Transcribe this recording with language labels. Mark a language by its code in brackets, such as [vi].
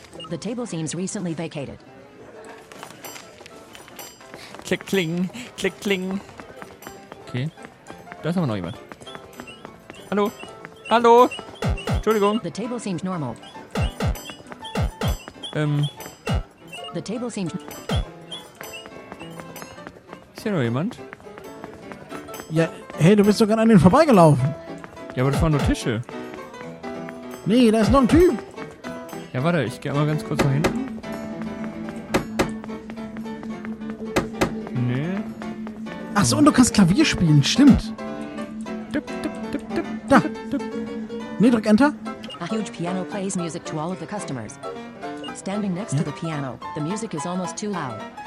[en] The table seems recently vacated. Klick, kling, klick, kling. [de] Okay, da ist aber noch jemand. Hallo? Hallo? Entschuldigung. [en] The table seems normal. The table seems. [de] Ist hier noch jemand? Ja, hey, du bist sogar an den vorbeigelaufen. Ja, aber das waren nur Tische. Nee, da ist noch ein Typ. Ja, warte, ich geh mal ganz kurz nach hinten. Nee. Achso, und du kannst Klavier spielen, stimmt. Dup, dup, dup, dup, da. Dup. Nee, drück Enter. [en] A huge piano plays music to all of the customers. Standing next to the piano, the music is almost too loud.